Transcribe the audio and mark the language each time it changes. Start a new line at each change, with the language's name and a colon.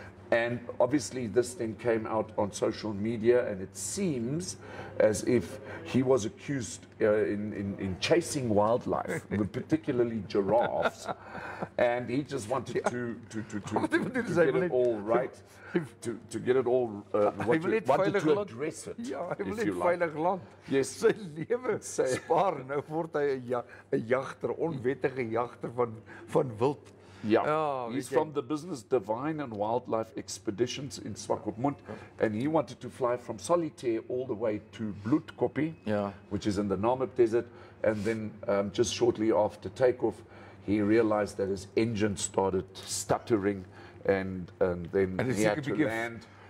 English: And obviously this thing came out on social media, and it seems as if he was accused in chasing wildlife, particularly giraffes, and he just wanted to get it all right, to address it, if you like. Yes.
Afrikaans: Sy lewe spaar, nou word hy 'n jagter, onwettige jagter van wild.
English: Yeah, he's from the business Divine and Wildlife Expeditions in Swakopmund, and he wanted to fly from Solitaire all the way to Bloedkopje, which is in the Namib Desert, and then just shortly after takeoff, he realized that his engine started stuttering, and then he had to land.